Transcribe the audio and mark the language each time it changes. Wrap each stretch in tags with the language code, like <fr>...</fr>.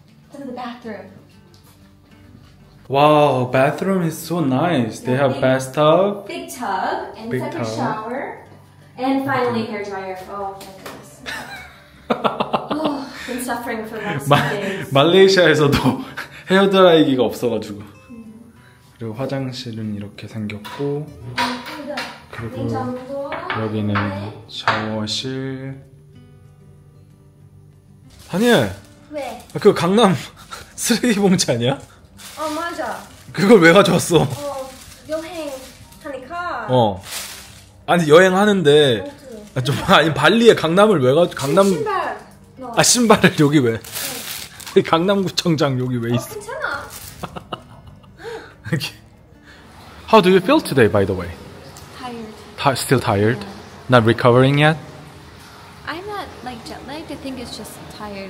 <en>Go to the bathroom. Wow, bathroom is so nice. They have bathtub. Big tub. And big tub. Like a shower. And finally, hair dryer. Oh, my goodness. Oh, been suffering for the last few days.</en> <ko>말레이시아에서도 헤어드라이기가 없어가지고. 그리고 화장실은 이렇게 생겼고. 그리고 여기는 샤워실. 다니엘! 왜? 그거 강남 쓰레기 봉지 아니야? 어, 맞아. 그걸 왜 가져왔어? 어, 여행하니까. 어. 아니, 여행하는데. 아, 좀, 아니, 발리에 강남을 왜 가져, 강남. 신발. 아, 신발을 여기 왜? 네. 강남구청장 여기 왜 있어? 어, 괜찮아.</ko> <en>How do you feel today, by the way? Tired. Still tired? Yeah. Not recovering yet? I'm not like jet lagged. I think it's just tired.</en>